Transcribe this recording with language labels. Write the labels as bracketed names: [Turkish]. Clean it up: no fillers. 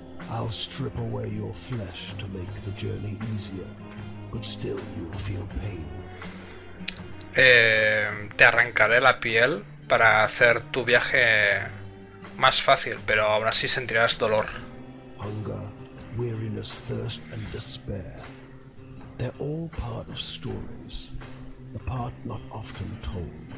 [English] I'll strip away your flesh to make the journey easier, but still you feel pain. [Spanish] Te arrancaré la piel para hacer tu viaje más fácil, pero aún así sentirás dolor. [English] Hunger, weariness, thirst, and despair. They're all part of stories, the part not often told.